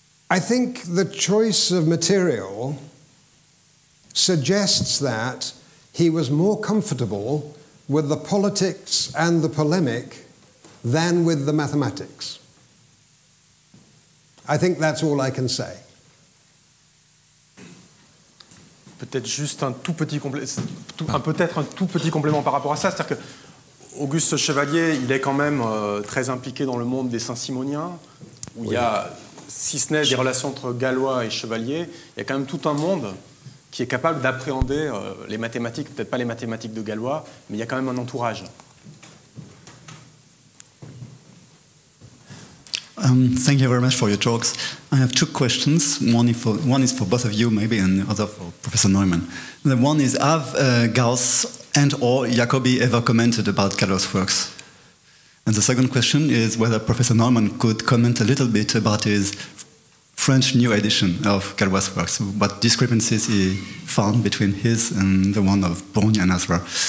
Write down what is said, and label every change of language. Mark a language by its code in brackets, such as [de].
[en] I think the choice of material suggests that he was more comfortable with the politics and the polemic than with the mathematics. I think that's all I can say. [fr] Peut-être juste un tout petit complément par rapport à ça, c'est-à-dire que Auguste Chevalier, il est quand même très impliqué dans le monde des Saint-Simoniens, où oui. Il y a, si ce n'est des relations entre Galois et Chevalier, il y a quand même tout un monde qui est capable d'appréhender les mathématiques, peut-être pas les mathématiques de Galois, mais il y a quand même un entourage. [en] Thank you very much for your talks. I have two questions. One is for both of you, maybe, and the other for Professor Neumann. The one is, have Gauss and or Jacobi ever commented about Galois' works? And the second question is whether Professor Neumann could comment a little bit about his French new edition of Galois' works, what discrepancies he found between his and the one of Bourgne and Asra.